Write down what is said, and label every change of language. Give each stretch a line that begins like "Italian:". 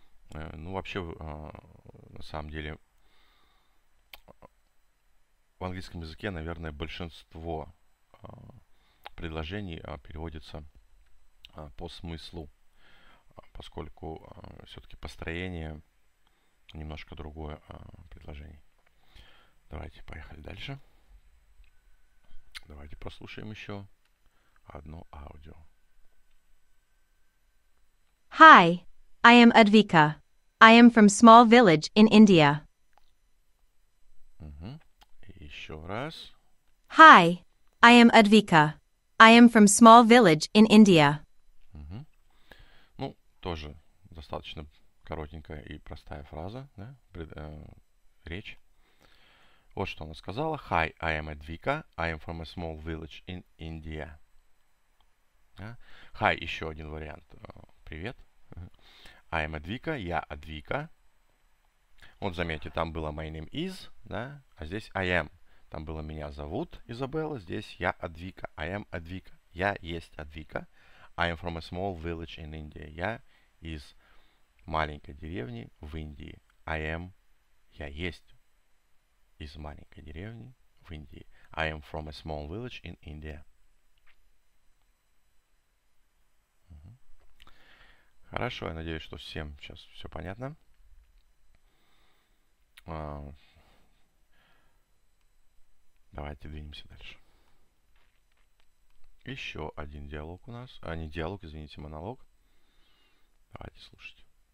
Russian: Ну, вообще, на самом деле, в английском языке, наверное, большинство предложений переводится по смыслу, поскольку все-таки построение немножко другое предложений. Давайте поехали дальше. Давайте прослушаем еще одно аудио.
English: Hi, I am Advika. I am from small village in India.
Russian: Еще раз.
English: Hi, I am Advika. I am from small village in India.
Russian: Ну, тоже достаточно коротенькая и простая фраза, да? Речь. Вот что она сказала.
English: Hi, I am Advika. I am from a small village in India.
Russian: Hi, еще один вариант. Привет.
English: I am Advika.
Russian: Я Advika. Вот заметьте, там было
English: my name is,
Russian: да? А здесь
English: I am.
Russian: Там было меня зовут Изабелла. Здесь я Advika.
English: I am Advika.
Russian: Я есть Advika.
English: I am from a small village in India.
Russian: Я из маленькой деревни в Индии.
English: I am.
Russian: Я есть. Из маленькой деревни в Индии.
English: I am from a small village in India.
Russian: Хорошо, я надеюсь, что всем сейчас все понятно. Давайте двинемся дальше. Еще один диалог у нас. А, не диалог, извините, монолог. Давайте слушать.